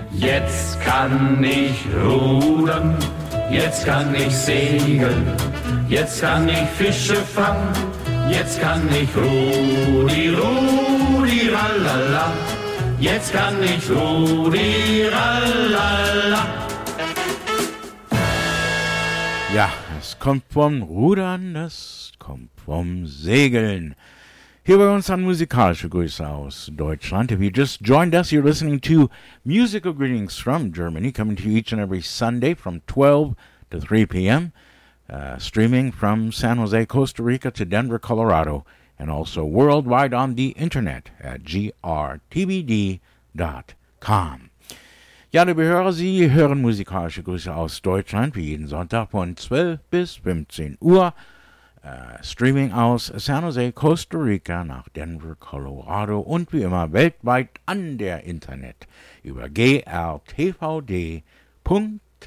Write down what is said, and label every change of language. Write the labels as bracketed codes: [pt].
[de] Jetzt kann ich rudern, jetzt kann ich segeln, jetzt kann ich Fische fangen, jetzt kann ich Rudi, Rudi, ralala. Jetzt kann ich Rudi, ralala. Ja, es kommt vom Rudern, es kommt vom Segeln. Hier bei uns an musikalische Grüße aus Deutschland. [en] If you just joined us, you're listening to Musical Greetings from Germany, coming to you each and every Sunday from 12 to 3 p.m., streaming from San Jose, Costa Rica to Denver, Colorado, and also worldwide on the internet at grtbd.com. [de] Ja, liebe Hörer, Sie hören musikalische Grüße aus Deutschland wie jeden Sonntag von 12 bis 15 Uhr. Streaming aus San Jose, Costa Rica nach Denver, Colorado und wie immer weltweit an der Internet über grtvd.com.